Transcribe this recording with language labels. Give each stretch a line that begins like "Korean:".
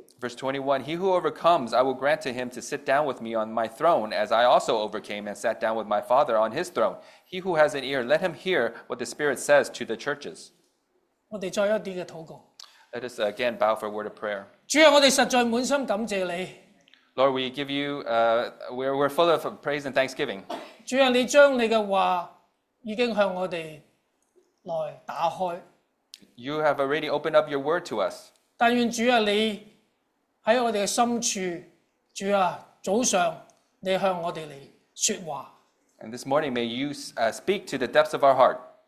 English: Verse 21, he who overcomes, I will grant to him to sit down with me on my throne, as I also overcame and sat down with my Father on his throne. He who has an ear, let him hear what the Spirit says to the churches.
Chinese: 我们再一点的祷告。
English: Let us again bow for a word of prayer.
Chinese: 主啊，我们实在满心感谢你。
English: Lord, we give you, we're full of praise and thanksgiving.
Chinese: 主啊，你将你的话已经向我们来打开。
English: You have already opened up your word to us.
Chinese: 但愿主啊，你在我们的深处，主啊，早上你向我们来说话。
English: And this morning, may you speak to the depths of our heart.